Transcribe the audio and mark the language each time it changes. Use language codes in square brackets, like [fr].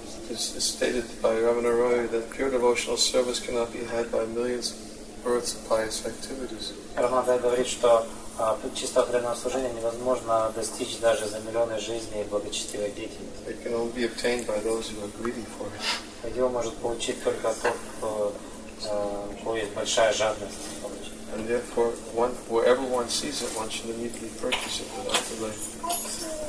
[en] It's stated by Ramana Roy that pure devotional service cannot be had by millions of births of pious activities. [ru] Ramana Roy говорит, что чистое преданное служение невозможно достичь даже за миллионы жизней и благочестивой деятельности. [en] It can only be obtained by those who are greedy for it. [ru] Его может получить только тот, кто имеет большая жадность. [en] And therefore, one, wherever one sees it, one should immediately purchase it without delay.